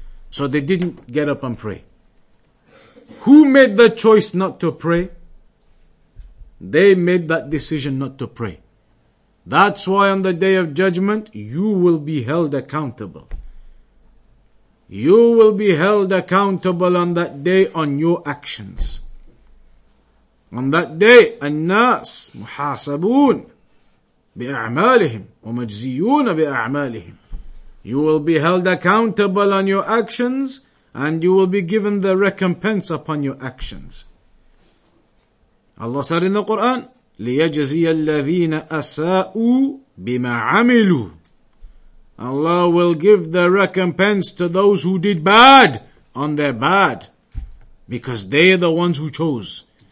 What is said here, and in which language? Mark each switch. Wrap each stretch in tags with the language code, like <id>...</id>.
<en>So they didn't get up and pray. Who made the choice not to pray? They made that decision not to pray. That's why on the day of judgment, you will be held accountable. You will be held accountable on that day on your actions. On that day,</en> <ar>الناس محاسبون بأعمالهم ومجزيون بأعمالهم.</ar> <en>You will be held accountable on your actions and you will be given the recompense upon your actions. Allah said in the Quran,</en> <ar>لِيَجْزِيَ الَّذِينَ أَسَاءُوا بِمَا عَمِلُوا.</ar> <en>Allah will give the recompense to those who did bad on their bad, because they are the ones who chose.</en>